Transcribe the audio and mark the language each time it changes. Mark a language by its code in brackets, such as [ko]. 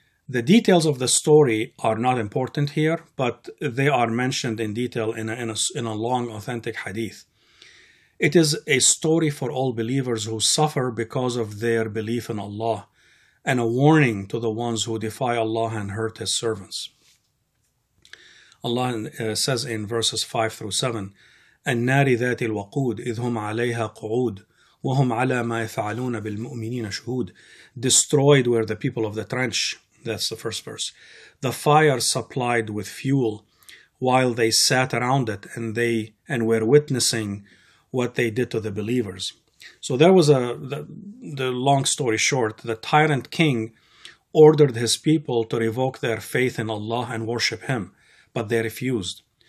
[en] The details of the story are not important here, but they are mentioned in detail in a long authentic hadith. It is a story for all believers who suffer because of their belief in Allah, and a warning to the ones who defy Allah and hurt His servants. Allah says in verses 5 through 7, [ar] النار ذات الوقود إذ هم عليها قعود وهم على ما يفعلون بالمؤمنين شهود. [en] Destroyed were the people of the trench. That's the first verse. The fire supplied with fuel while they sat around it and were witnessing what they did to the believers. So there was the long story short, the tyrant king ordered his people to revoke their faith in Allah and worship Him, but they refused.